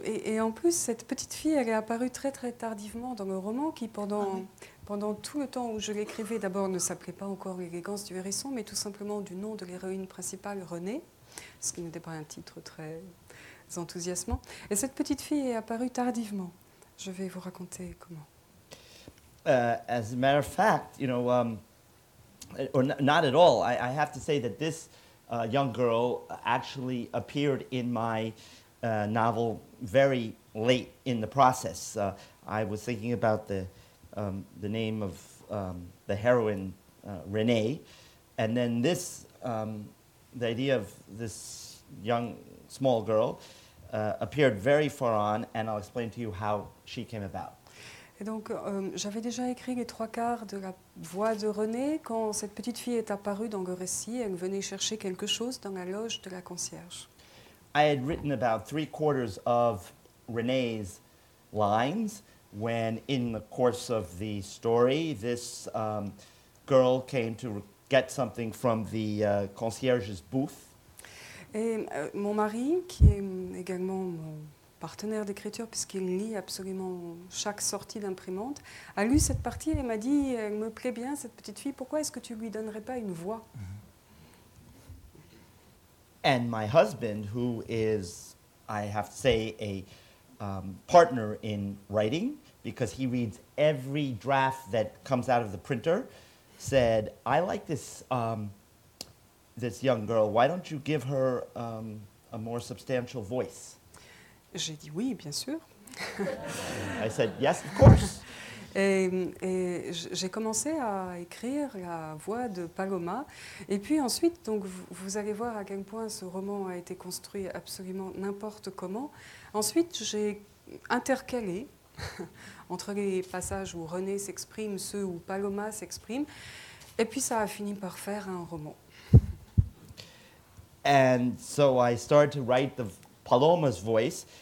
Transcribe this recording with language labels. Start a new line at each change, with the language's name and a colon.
French: Et en plus, cette petite fille, elle est apparue très, très tardivement dans le roman qui, pendant tout le temps où je l'écrivais, d'abord ne s'appelait pas encore L'élégance du hérisson, mais tout simplement du nom de l'héroïne principale, Renée, ce qui n'était pas un titre très enthousiasmant. Et cette petite fille est apparue tardivement. Je vais vous raconter comment.
English: As a matter of fact, you know, or not at all, I have to say that this young girl actually appeared in my novel very late in the process. I was thinking about the name of the heroine, Renée, and then this, the idea of this young, small girl appeared very far on, and I'll explain to you how she came about.
French: Et donc, j'avais déjà écrit les trois quarts de la voix de Renée quand cette petite fille est apparue dans le récit. Elle venait chercher quelque chose dans la loge de la concierge.
English: I had written about three quarters of Renée's lines when, in the course of the story, this girl came to get something from the concierge's booth.
French: Et mon mari, qui est également mon partenaire d'écriture, puisqu'il lit absolument chaque sortie d'imprimante, a lu cette partie et m'a dit, elle me plaît bien, cette petite fille, pourquoi est-ce que tu ne lui donnerais pas une voix?
English: And my husband, who is, I have to say, a partner in writing, because he reads every draft that comes out of the printer, said, I like this, this young girl, why don't you give her a more substantial voice?
French: J'ai dit oui, bien sûr.
English: I said, yes, of course.
French: Et j'ai commencé à écrire la voix de Paloma. Et puis ensuite, donc, vous allez voir à quel point ce roman a été construit absolument n'importe comment. Ensuite, j'ai intercalé entre les passages où René s'exprime, ceux où Paloma s'exprime. Et puis ça a fini par faire un roman.
English: And so I started to write the Paloma's voice.